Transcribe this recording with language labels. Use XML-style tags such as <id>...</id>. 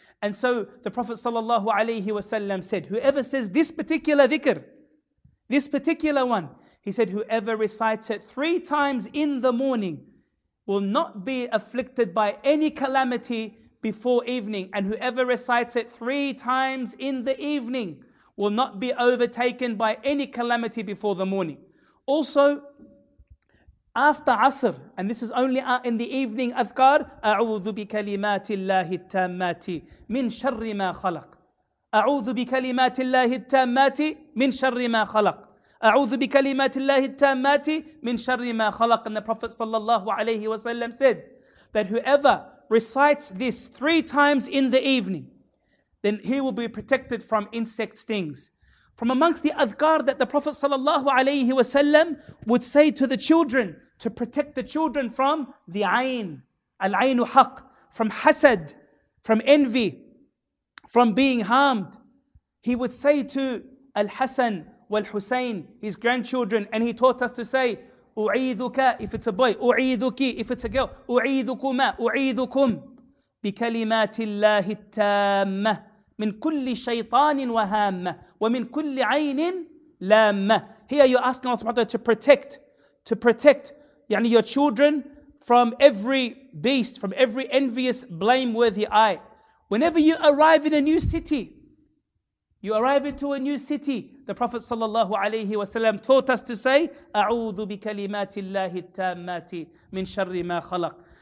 <en>And so the Prophet sallallahu alayhi wa sallam said, whoever says this particular dhikr, this particular one, he said, whoever recites it 3 times in the morning will not be afflicted by any calamity before evening. And whoever recites it 3 times in the evening will not be overtaken by any calamity before the morning. Also, after Asr, and this is only in the evening adhkar,</en> <ar>أَعُوذُ بِكَلِمَاتِ اللَّهِ التَّامَّاتِ مِنْ شَرِّ مَا خَلَقَ أَعُوذُ بِكَلِمَاتِ اللَّهِ التَّامَّاتِ مِنْ شَرِّ مَا خَلَقَ أَعُوذُ بِكَلِمَاتِ اللَّهِ التَّامَّاتِ مِنْ شَرِّ مَا خَلَقَ.</ar> <en>And the Prophet sallallahu alayhi wa sallam said that whoever recites this 3 times in the evening, then he will be protected from insect stings. From amongst the adhkar that the Prophet sallallahu alayhi wa sallam would say to the children, to protect the children from the ayn, al-aynu haq, from hasad, from envy, from being harmed. He would say to al-Hasan wal-Husayn, his grandchildren, and he taught us to say, u'idhuka, if it's a boy, u'idhuki, if it's a girl, u'idhukuma, u'idhukum, bikalimati Allahi tamma.</en> <ar>من كل شيطان وهامة ومن كل عين لامة.</ar> <en>Here you're asking Allah subhanahu wa ta'ala to protect يعني your children from every beast, from every envious, blameworthy eye. Whenever you arrive in a new city, you arrive into a new city, the Prophet sallallahu alayhi wa sallam taught us to say,</en> <ar>أعوذ بكلمات الله التامات من شر ما خلق.</ar>